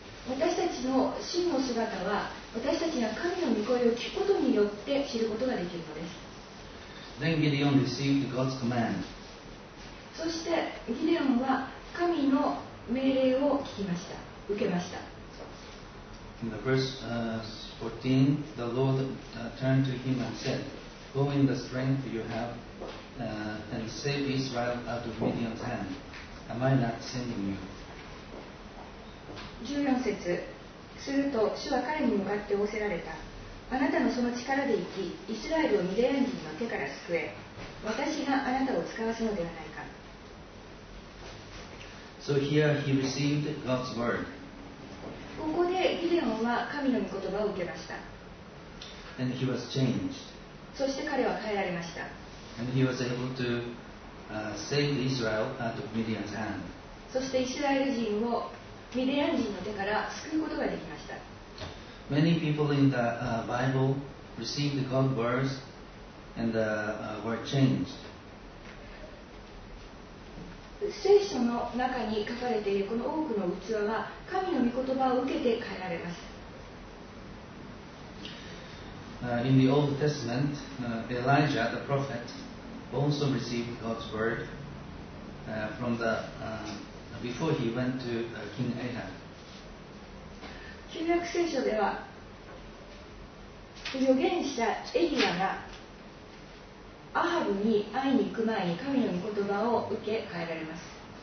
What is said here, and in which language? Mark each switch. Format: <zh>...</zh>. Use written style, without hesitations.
<ja>私たちの真の姿は私たちが神の御声を聞くことによって知ることができるのです。</ja> <en>Then Gideon received God's command.</en> <ja>そしてギデオンは神の命令を聞きました、受けました。</ja> <en>In the verse 14, the Lord turned to him and said, Go in the strength you have and save Israel out of Midian's hand. Am I not sending you?</en> <ja>14節、すると主は彼に向かって仰せられた。あなたのその力で行き、イスラエルをミディアン人の手から救え。私があなたを使わすのではないか。</ja> <en>So here he received God's word.</en> <ja>ここでギデオンは神の御言葉を受けました。</ja> <en>And he was changed.</en> <ja>そして彼は変えられました。</ja> <en>And he was able to save Israel out of Midian's hand.</en> <ja>そしてイスラエル人をミディアン人の手から救うことができました。</ja> <en>Many people in the Bible received God's words and were changed.</en> <ja>聖書の中に書かれているこの多くの器は神の御言葉を受けて変えられます。</ja> <en>In the Old Testament, Elijah the prophet also received God's word from the before he went to King Ahab.</en> <ja>約聖書では預言者エリアがアハブに会いに行く前に神の御言葉を受け変えられます。</ja>